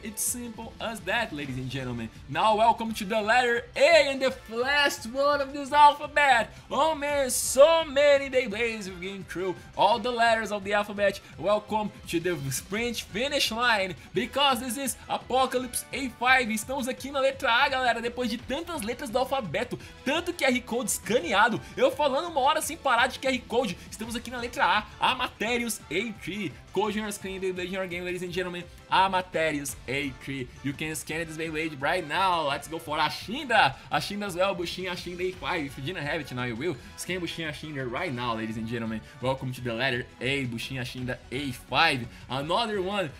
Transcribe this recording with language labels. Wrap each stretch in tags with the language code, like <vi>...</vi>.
<en>It's simple as that, ladies and gentlemen. Now welcome to the letter A and the last one of this alphabet. Oh man, so many Beyblades we've been through all the letters of the alphabet. Welcome to the sprint finish line, because this is Apocalypse A5.</en> <pt>Estamos aqui na letra A, galera, depois de tantas letras do alfabeto, tanto QR Code escaneado, eu falando uma hora sem parar de QR Code. Estamos aqui na letra A, Amaterius A3.</pt> <en>Code on your screen, Beyblade in your game, ladies and gentlemen. Amaterius A3. You can scan this Beyblade right now. Let's go for Ashinda. Ashinda as well, Bushinha Ashinda A5. If you didn't have it, now you will. Scan Bushinha Ashinda right now, ladies and gentlemen. Welcome to the letter A, Bushinha Ashinda A5. Another one.</en>